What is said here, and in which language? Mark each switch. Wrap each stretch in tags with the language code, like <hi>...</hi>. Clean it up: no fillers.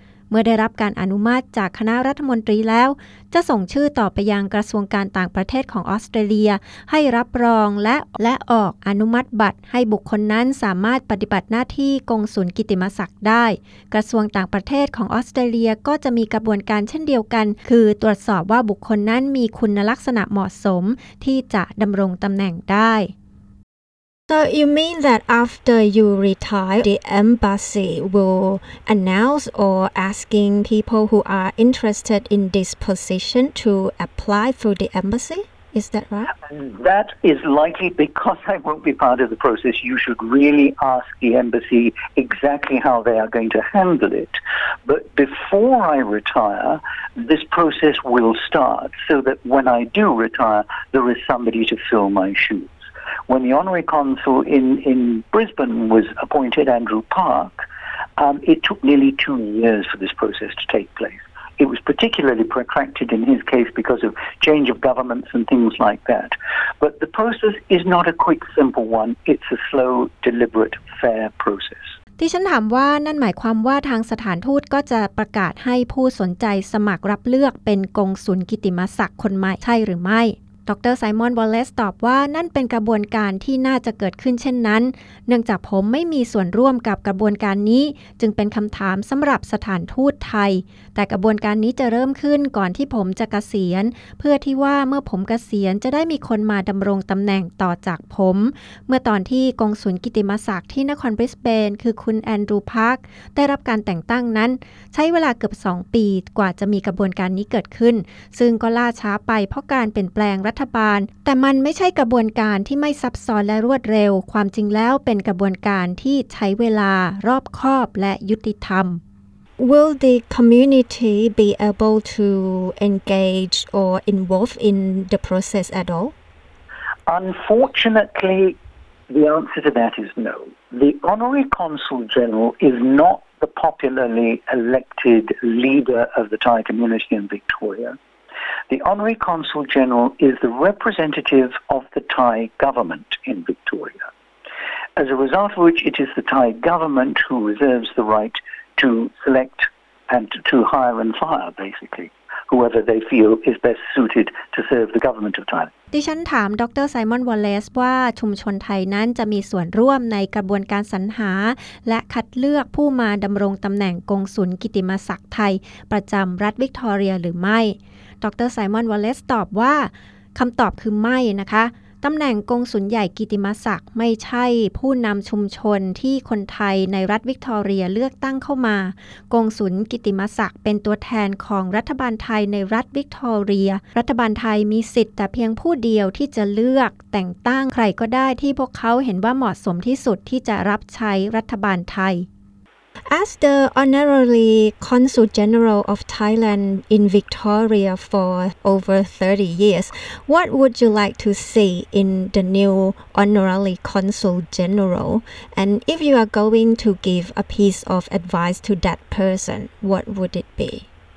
<th>เมื่อได้รับการอนุมัติจากคณะรัฐมนตรีแล้วจะส่งชื่อต่อไปยังกระทรวงการต่างประเทศของออสเตรเลียให้รับรองและออกอนุมัติบัตรให้บุคคลนั้นสามารถปฏิบัติหน้าที่กงสุลกิตติมศักดิ์ได้กระทรวงต่างประเทศของออสเตรเลียก็จะมีกระบวนการเช่นเดียวกันคือตรวจสอบว่าบุคคลนั้นมีคุณลักษณะเหมาะสมที่จะดำรงตำแหน่งได้</th> <en>So you mean that after you retire, the embassy will announce or asking people who are interested in this position to apply for the embassy? Is that right? That is likely because I won't be part of the process. You should really ask the embassy exactly how they are going to handle it. But before I retire, this process will start so that when I do retire, there is somebody to fill my shoes. When the Honorary Consul in Brisbane was appointed, Andrew Park, it took nearly 2 years for this process to take place. It was particularly protracted in his case because of change of governments and things like that. But the process is not a quick, simple one. It's a slow, deliberate, fair process.</en> <th>ที่ฉันถามว่านั่นหมายความว่าทางสถานทูตก็จะประกาศให้ผู้สนใจสมัครรับเลือกเป็นกงสุลกิติมศักดิ์คนใหม่ใช่หรือไม่ดร. ไซมอน วอลเลซตอบว่านั่นเป็นกระบวนการที่น่าจะเกิดขึ้นเช่นนั้นเนื่องจากผมไม่มีส่วนร่วมกับกระบวนการนี้จึงเป็นคำถามสำหรับสถานทูตไทยแต่กระบวนการนี้จะเริ่มขึ้นก่อนที่ผมจะเกษียณเพื่อที่ว่าเมื่อผมเกษียณจะได้มีคนมาดำรงตำแหน่งต่อจากผม เมื่อตอนที่กงสุลกิติมศักดิ์ที่นครบริสเบนคือคุณแอนดรูพาร์คได้รับการแต่งตั้งนั้นใช้เวลาเกือบ2ปีกว่าจะมีกระบวนการนี้เกิดขึ้นซึ่งก็ล่าช้าไปเพราะการเปลี่ยนแปลงแต่มันไม่ใช่กระบวนการที่ไม่ซับซ้อนและรวดเร็วความจริงแล้วเป็นกระบวนการที่ใช้เวลารอบคอบและยุติธรรม</th> <en>Will the community be able to engage or involve in the process at all? Unfortunately, the answer to that is no. The Honorary Consul General is not the popularly elected leader of the Thai community in Victoria. The Honorary Consul General is the representative of the Thai government in Victoria, as a result of which it is the Thai government who reserves the right to select and to hire and fire, basically, whoever they feel is best suited to serve the government of Thailand.</en> <th>ดิฉันถามดร. ไซมอน วอลเลซว่าชุมชนไทยนั้นจะมีส่วนร่วมในกระบวนการสรรหาและคัดเลือกผู้มาดำรงตำแหน่งกงสุลกิติมศักดิ์ไทยประจำรัฐวิกตอเรียหรือไม่ดร. ไซมอน วอลเลซตอบว่าคำตอบคือไม่นะคะตำแหน่งกงสุลใหญ่กิติมศักดิ์ไม่ใช่ผู้นำชุมชนที่คนไทยในรัฐวิกตอเรียเลือกตั้งเข้ามากงสุลกิติมศักดิ์เป็นตัวแทนของรัฐบาลไทยในรัฐวิกตอเรียรัฐบาลไทยมีสิทธิ์แต่เพียงผู้เดียวที่จะเลือกแต่งตั้งใครก็ได้ที่พวกเขาเห็นว่าเหมาะสมที่สุดที่จะรับใช้รัฐบาลไทย</th> <en>As the Honorary Consul General of Thailand in Victoria for over 30 years, what would you like to see in the new Honorary Consul General? And if you are going to give a piece of advice to that person, what would it be?</en>